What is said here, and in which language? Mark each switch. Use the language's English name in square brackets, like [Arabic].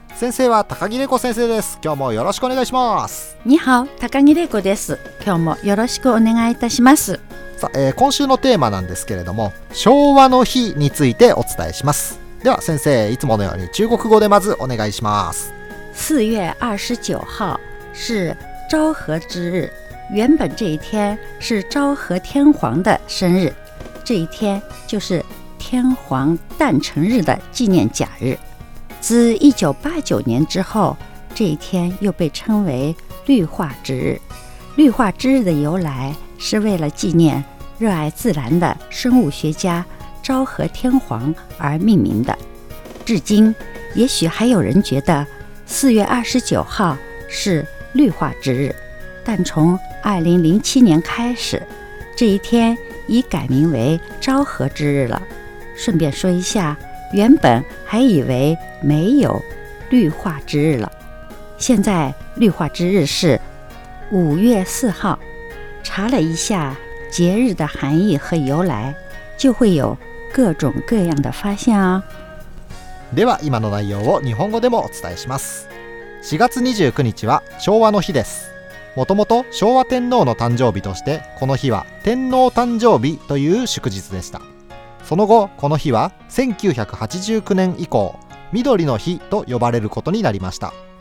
[Japanese] 先生は高木玲子先生です。今日もよろしくお願いします。ニハオ、高木玲子です。今日もよろしくお願いいたします。さあ、今週のテーマなんですけれども、昭和の日についてお伝えします。では先生、いつものように中国語でまずお願いします。 [Chinese] 4月29号是昭和之日，原本这一天是昭和天皇的生日，这一天就是天皇诞辰日的纪念假日。自1989年之后，这一天又被称为绿化之日。绿化之日的由来是为了纪念热爱自然的生物学家昭和天皇而命名的。至今，也许还有人觉得4月29号是绿化之日，但从2007年开始，这一天已改名为昭和之日了。顺便说一下，原本还以为没有绿化之日了，现在绿化之日是5月4号。查了一下节日的含义和由来，就会有各种各样的发现哦。 [Japanese] では今の内容を日本語でもお伝えします。4月29日は昭和の日です。もともと昭和天皇の誕生日として、この日は天皇誕生日という祝日でした。その後、この日は1989年以降、緑の日と呼ばれることになりました。